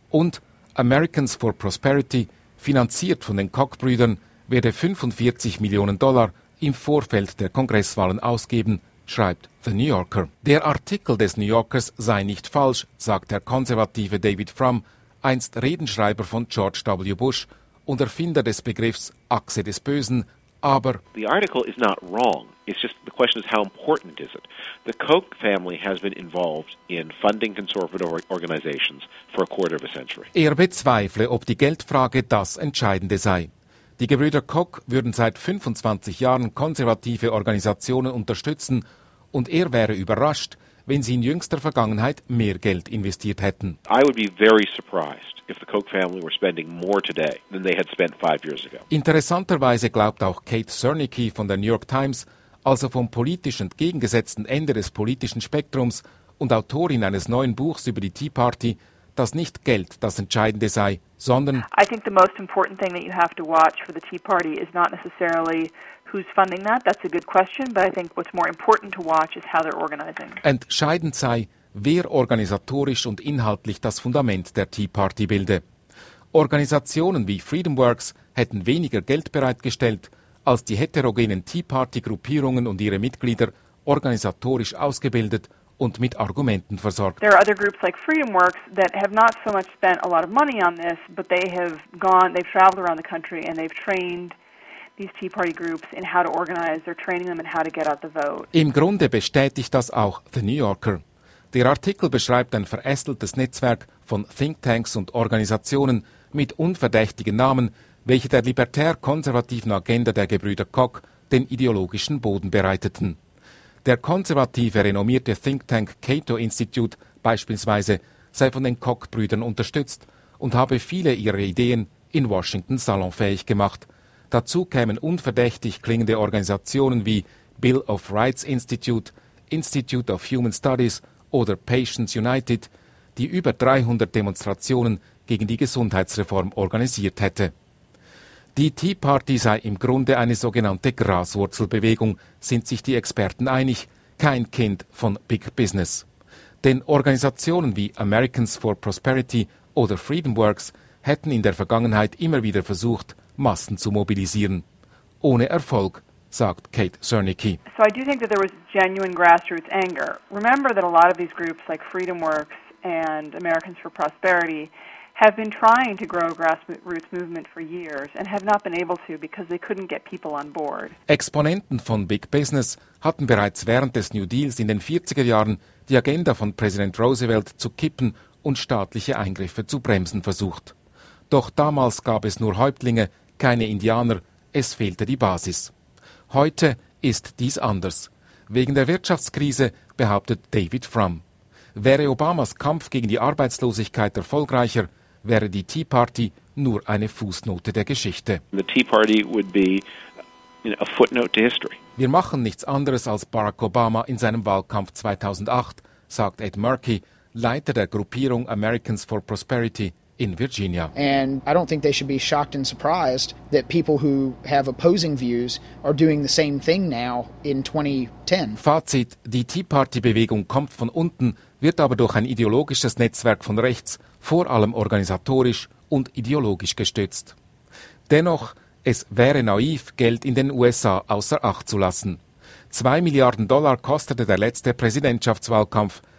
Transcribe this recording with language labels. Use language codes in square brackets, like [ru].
[de] Und Americans for Prosperity, finanziert von den Koch-Brüdern, werde 45 Millionen Dollar im Vorfeld der Kongresswahlen ausgeben, schreibt The New Yorker. Der Artikel des New Yorkers sei nicht falsch, sagt der konservative David Frum, einst Redenschreiber von George W. Bush und Erfinder des Begriffs Achse des Bösen, aber [en] the article is not wrong. It's just the question is how important is it? The Koch family has been involved in funding conservative organizations for a quarter of a century. [de] Er bezweifle, ob die Geldfrage das Entscheidende sei. Die Gebrüder Koch würden seit 25 Jahren konservative Organisationen unterstützen und er wäre überrascht, wenn sie in jüngster Vergangenheit mehr Geld investiert hätten. [en] I would be very surprised if the Koch family were spending more today than they had spent 5 years ago. [de] Interessanterweise glaubt auch Kate Czernicki von der New York Times, also vom politisch entgegengesetzten Ende des politischen Spektrums und Autorin eines neuen Buchs über die Tea Party, dass nicht Geld das Entscheidende sei, sondern [en] I think the most important thing that you have to watch for the Tea Party is not necessarily who's funding that. That's a good question, but I think what's more important to watch is how they're organizing. [de] Entscheidend sei, wer organisatorisch und inhaltlich das Fundament der Tea Party bilde. Organisationen wie FreedomWorks hätten weniger Geld bereitgestellt, als die heterogenen Tea Party-Gruppierungen und ihre Mitglieder organisatorisch ausgebildet und mit Argumenten versorgt. [en] There are other groups like FreedomWorks that have not so much spent a lot of money on this, but they have gone, they've traveled around the country and they've trained these Tea Party groups in how to organize. They're training them in how to get out the vote. [de] Im Grunde bestätigt das auch The New Yorker. Der Artikel beschreibt ein verästeltes Netzwerk von Thinktanks und Organisationen mit unverdächtigen Namen, welche der libertär-konservativen Agenda der Gebrüder Koch den ideologischen Boden bereiteten. Der konservative, renommierte Think Tank Cato Institute beispielsweise sei von den Koch-Brüdern unterstützt und habe viele ihrer Ideen in Washington salonfähig gemacht. Dazu kämen unverdächtig klingende Organisationen wie Bill of Rights Institute, Institute of Human Studies oder Patients United, die über 300 Demonstrationen gegen die Gesundheitsreform organisiert hätte. Die Tea Party sei im Grunde eine sogenannte Graswurzelbewegung, sind sich die Experten einig, kein Kind von Big Business. Denn Organisationen wie Americans for Prosperity oder FreedomWorks hätten in der Vergangenheit immer wieder versucht, Massen zu mobilisieren. Ohne Erfolg, sagt Kate Czernicki. [en] So I do think that there was genuine grassroots anger. Remember that a lot of these groups like FreedomWorks and Americans for Prosperity have been trying to grow a grassroots movement for years and have not been able to because they couldn't get people on board. [de] Exponenten von Big Business hatten bereits während des New Deals in den 40er Jahren die Agenda von Präsident Roosevelt zu kippen und staatliche Eingriffe zu bremsen versucht. Doch damals gab es nur Häuptlinge, keine Indianer, es fehlte die Basis. Heute ist dies anders. Wegen der Wirtschaftskrise, behauptet David Frum. Wäre Obamas Kampf gegen die Arbeitslosigkeit erfolgreicher, wäre die Tea Party nur eine Fußnote der Geschichte. [en] The Tea Party would be, you know, a footnote to history. [de] Wir machen nichts anderes als Barack Obama in seinem Wahlkampf 2008, sagt Ed Markey, Leiter der Gruppierung Americans for Prosperity in Virginia. [en] And I don't think they should be shocked and surprised that people who have opposing views are doing the same thing now in 2010. [de] Fazit: Die Tea Party Bewegung kommt von unten, wird aber durch ein ideologisches Netzwerk von rechts, vor allem organisatorisch und ideologisch gestützt. Dennoch, es wäre naiv, Geld in den USA außer Acht zu lassen. 2 Milliarden Dollar kostete der letzte Präsidentschaftswahlkampf.